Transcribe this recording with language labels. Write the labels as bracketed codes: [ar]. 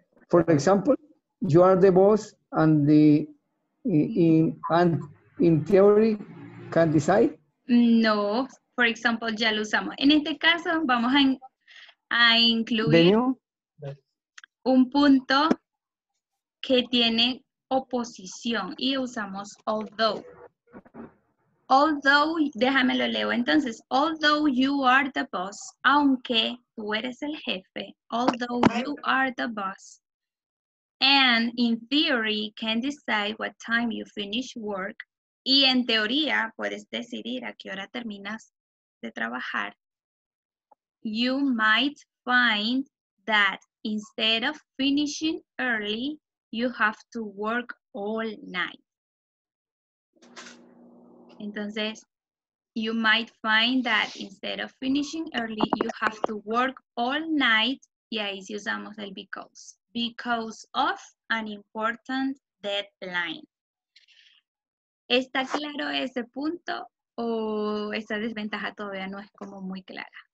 [en] For example, you are the boss and the in theory can decide? [es] No, [en] for example, [es] ya lo usamos. En este caso, vamos a incluir un punto que tiene oposición y usamos although. [en] Although, [es] déjame lo leo entonces. [en] Although you are the boss, [es] aunque tú eres el jefe, [en] although you are the boss, and in theory can decide what time you finish work, [es] y en teoría puedes decidir a qué hora terminas de trabajar, [en] you might find that instead of finishing early, you have to work all night. [es] Entonces, [en] you might find that instead of finishing early, you have to work all night, [es] y ahí sí usamos el [en] because. Because of an important deadline. [es] ¿Está claro ese punto o esa desventaja todavía no es como muy clara?